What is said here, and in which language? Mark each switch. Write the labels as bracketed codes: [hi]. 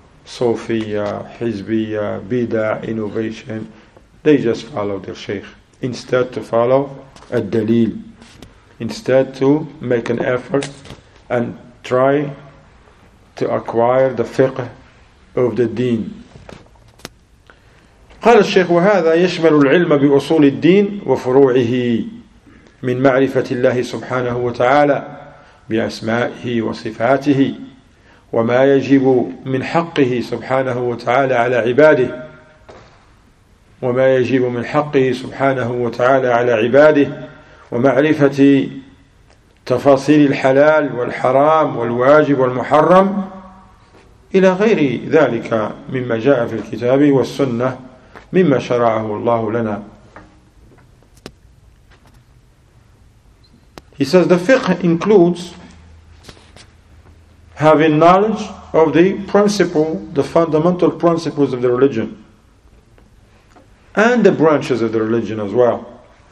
[en] Sufiya, Hizbiya, Bida, innovation. They just follow their sheikh instead to follow al-dalil, instead to make an effort and try to acquire the fiqh of the deen. [ar] قال الشيخ: وهذا يشمل العلم بأصول الدين وفروعه من معرفة الله سبحانه وتعالى بأسمائه وصفاته وما يجب من حقه سبحانه وتعالى على عباده وما يجب من حقه سبحانه وتعالى على عباده ومعرفة تفاصيل الحلال والحرام والواجب والمحرم إلى غير ذلك مما جاء في الكتاب والسنة مما شرعه الله لنا. [en] He says the fiqh includes having knowledge of the principle, the fundamental principles of the religion, and the branches of the religion as well.